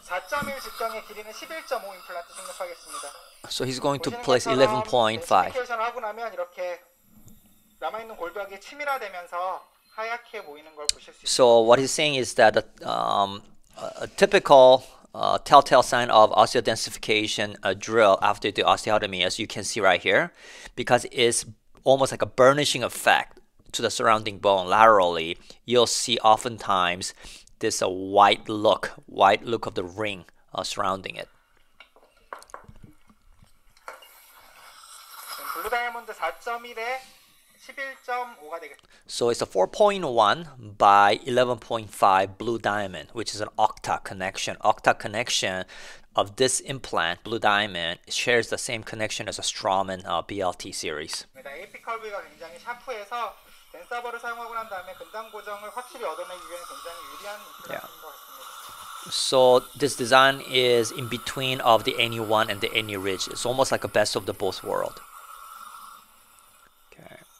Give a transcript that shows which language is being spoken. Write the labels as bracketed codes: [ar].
[ko] 4.1 직경의 길이는 11.5 임플란트 생략하겠습니다. [en] So he's going to place 11.5. [ko] 시큐레이션을 하고 나면 이렇게 남아있는 골격이 치밀화되면서 하얗게 보이는 걸 보실 수 있습니다. [en] So what he's saying is that a typical telltale sign of osteodensification drill after the osteotomy, as you can see right here, because it's almost like a burnishing effect to the surrounding bone laterally, you'll see oftentimes this a white look of the ring surrounding it. [ko] Blue diamond 4.1에 11.5가 되겠죠. [en] So it's a 4.1 by 11.5 blue diamond, which is an octa connection. Octa connection of this implant, blue diamond, shares the same connection as a Straumann BLT series. [ko] AP 커브가 굉장히 샤프해서 댄서버를 사용하고 난 다음에 근단 고정을 확실히 얻어내기 위해 굉장히 유리한 입술인 것 같습니다. [en] So this design is in between of the NE1 and the NE Ridge. It's almost like a best of the both world. Okay.